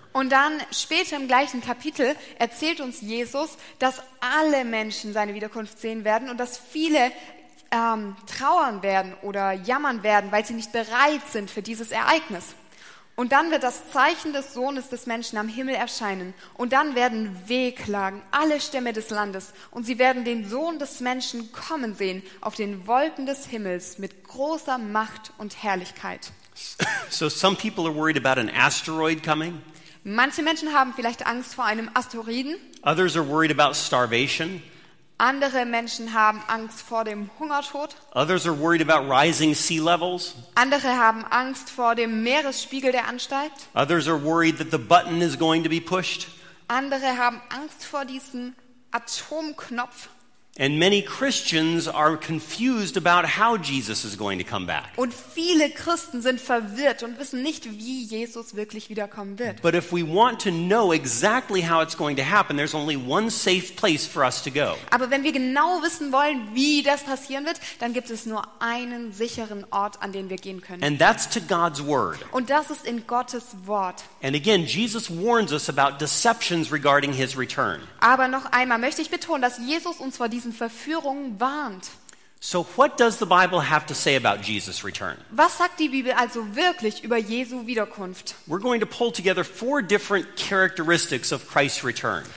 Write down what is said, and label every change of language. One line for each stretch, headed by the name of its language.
German: Und dann später im gleichen Kapitel erzählt uns Jesus, dass alle Menschen seine Wiederkunft sehen werden und dass viele trauern werden oder jammern werden, weil sie nicht bereit sind für dieses Ereignis. Und dann wird das Zeichen des Sohnes des Menschen am Himmel erscheinen. Und dann werden wehklagen alle Stämme des Landes. Und sie werden den Sohn des Menschen kommen sehen auf den Wolken des Himmels mit großer Macht und Herrlichkeit.
English: So some people are worried about an asteroid coming.
German: Manche Menschen haben vielleicht Angst vor einem Asteroiden.
English: Others are worried about starvation.
German: Andere Menschen haben Angst vor dem Hungertod.
English: Others are worried about rising sea levels.
German: Andere haben Angst vor dem Meeresspiegel, der ansteigt.
English: Others are worried that the button is going to be pushed.
German: Andere haben Angst vor diesem Atomknopf.
English: And many Christians are confused about how Jesus is going to come back.
German: Und viele Christen sind verwirrt und wissen nicht, wie Jesus wirklich wiederkommen wird.
English: But if we want to know exactly how it's going to happen, there's only one safe place for us to go.
German: Aber wenn wir genau wissen wollen, wie das passieren wird, dann gibt es nur einen sicheren Ort, an den wir gehen können.
English: And that's to God's word.
German: Und das ist in Gottes Wort.
English: And again, Jesus warns us about deceptions regarding his return.
German: Aber noch einmal möchte ich betonen, dass Jesus uns vor diesen Verführungen warnt.
English: So what does the Bible have to say about Jesus' return?
German: Was sagt die Bibel also wirklich über Jesu Wiederkunft?
English: We're going to pull together four different characteristics of Christ's return.